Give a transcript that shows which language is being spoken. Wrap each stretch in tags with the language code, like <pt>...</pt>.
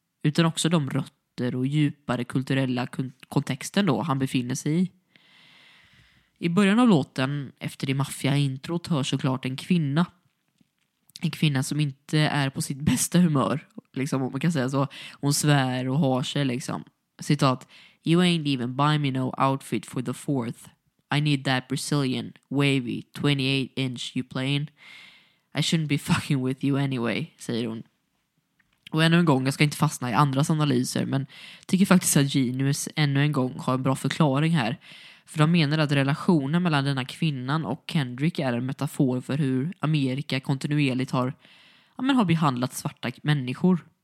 <sv>Utan också de rötter och djupare kulturella kontexten då han befinner sig i. I början av låten, efter det maffia-introt, hör såklart en kvinna. En kvinna som inte är på sitt bästa humör, liksom, om man kan säga så. Hon svär och har sig, liksom.</sv> <en>Citat: "You ain't even buy me no outfit for the fourth. I need that Brazilian, wavy, 28-inch you playing. I shouldn't be fucking with you anyway,"</en> <sv>säger hon. Och ännu en gång, jag ska inte fastna i andras analyser, men tycker faktiskt att Genius ännu en gång har en bra förklaring här. För de menar att relationen mellan denna kvinnan och Kendrick är en metafor för hur Amerika kontinuerligt har, ja, men har behandlat svarta människor.</sv>